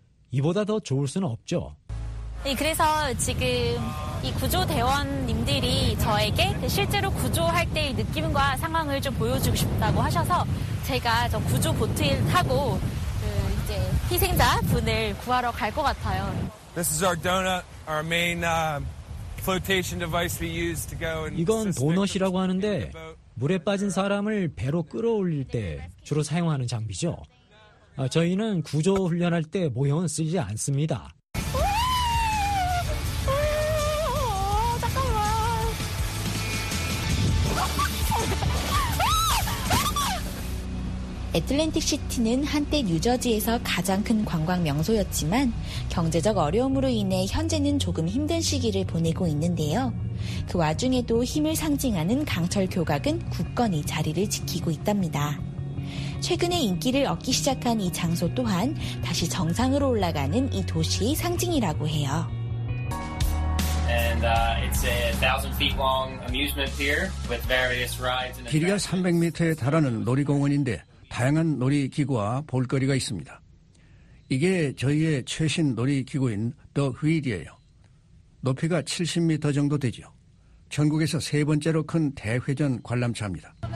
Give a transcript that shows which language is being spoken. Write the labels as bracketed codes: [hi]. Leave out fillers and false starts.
[ko] 이보다 더 좋을 수는 없죠. 네, 그래서 지금 이 구조대원님들이 저에게 실제로 구조할 때의 느낌과 상황을 좀 보여주고 싶다고 하셔서 제가 저 구조보트에 타고 이제 희생자 분을 구하러 갈 것 같아요. [en] This is our donut, our main flotation device we use to go and. [ko] 이건 도넛이라고 하는데 물에 빠진 사람을 배로 끌어올릴 때 주로 사용하는 장비죠. 저희는 구조 훈련할 때 모형은 쓰지 않습니다. 애틀랜틱 시티는 한때 뉴저지에서 가장 큰 관광 명소였지만 경제적 어려움으로 인해 현재는 조금 힘든 시기를 보내고 있는데요. 그 와중에도 힘을 상징하는 강철 교각은 굳건히 자리를 지키고 있답니다. 최근에 인기를 얻기 시작한 이 장소 또한 다시 정상으로 올라가는 이 도시의 상징이라고 해요. [en] And it's a 1,000 feet long amusement pier with various rides. [ko] 길이가 300m에 달하는 놀이공원인데 다양한 놀이기구와 볼거리가 있습니다. 이게 저희의 최신 놀이기구인 더 휠이에요. 높이가 70m 정도 되죠. 전국에서 세 번째로 큰 대회전 관람차입니다.